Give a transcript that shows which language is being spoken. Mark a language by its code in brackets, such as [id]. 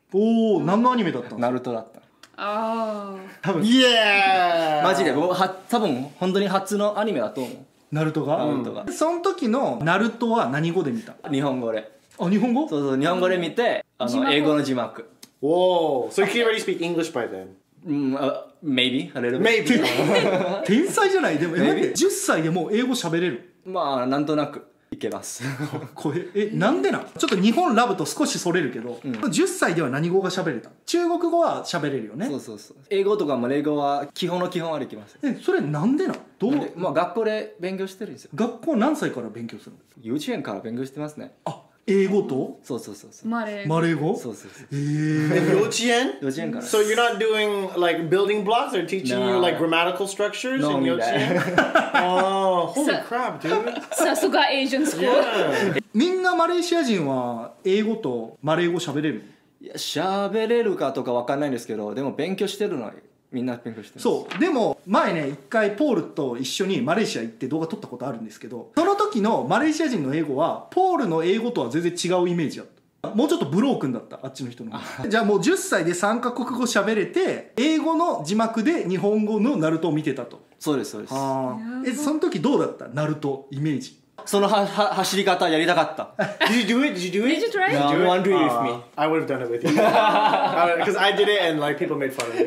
[ja] おお、何のアニメだったの？ナルトだった。ああ。多分。イエーイ。マジで、僕は多分本当に初のアニメだと思う。ナルトが。ナルトが。その時のナルトは何語で見た？日本語で。あ、日本語？そうそう、日本語で見て、あの英語の字幕。 [en] おお、so you can already speak English by then? Maybe a little bit. Maybe. [ja] 天才じゃない？でも、待って、10歳でもう英語喋れる？まあなんとなく。いけます。え、なんでな？ちょっと日本ラブと少しそれるけど、うん、10歳では何語が喋れた？中国語は喋れるよね。そうそうそう。英語とかマレー語は基本の基本はできます。え、それなんでな？どう？まあ学校で勉強してるんですよ。学校何歳から勉強するの？幼稚園から勉強してますね。あ、英語と？そうそうそうそう。マレー語？そうそうそう。幼稚園？幼稚園から。 [en] So you're not doing like building blocks or teaching you like grammatical structures in 幼稚園？ Oh, holy crap, dude. [ja] さすが [en] Asian school。 [ja] みんなマレーシア人は英語とマレー語喋れる？いや、喋れるかとかわかんないんですけど、でも勉強してるのはみんな勉強してる。そう。でも前ね、一回ポールと一緒にマレーシア行って動画撮ったことあるんですけど、その時のマレーシア人の英語はポールの英語とは全然違うイメージだった。もうちょっとブロークンだった、あっちの人の。じゃあもう10歳で3カ国語喋れて、英語の字幕で日本語のナルトを見てたと。そうです、そうです。あ、え、その時どうだった、ナルトイメージ？そのは走り方やりたかった。 [en] Did you do it? Did you do it? Did you try? No, I'm wondering if me. I would have done it with you. Because I did it and like people made fun of me.